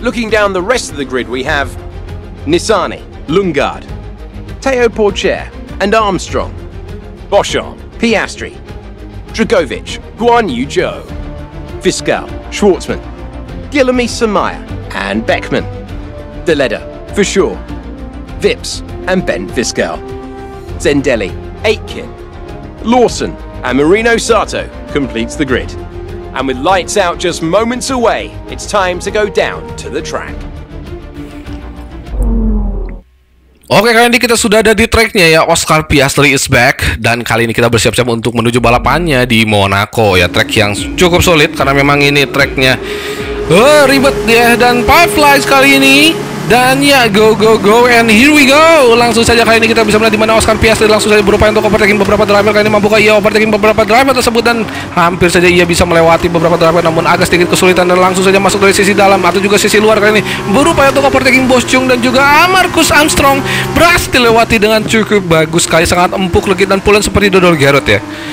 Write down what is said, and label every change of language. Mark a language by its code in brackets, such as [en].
[en] Looking down the rest of the grid, we have Nissany, Lungard, Teo Pourchaire, and Armstrong, Bochamp, Piastri, Dragovic, Guan Yu Zhou, Fiscal, Schwartzman, Guillaume Somaya, and Beckman, Deledda, Fischer, Vips, and Ben Fiscal, Zendeli, Aitken, Lawson, and Marino Sato completes the grid. And with lights out just moments away, it's time to go down to the track. [id] Oke, kali ini kita sudah ada di tracknya ya. Oscar Piastri is back. Dan kali ini kita bersiap-siap untuk menuju balapannya di Monaco ya. Track yang cukup sulit karena memang ini tracknya ribet ya. Dan five lights kali ini. Dan ya, go go go and here we go. Langsung saja kali ini kita bisa melihat di mana Oscar Piastri langsung saja berupaya untuk overtaking beberapa driver. Kali ini mampukah ia overtaking beberapa driver tersebut, dan hampir saja ia bisa melewati beberapa driver, namun agak sedikit kesulitan dan langsung saja masuk dari sisi dalam atau juga sisi luar. Kali ini berupaya untuk overtaking Bos Chung dan juga Marcus Armstrong berhasil dilewati dengan cukup bagus sekali, sangat empuk, legit dan pulen seperti Dodol Garrett ya.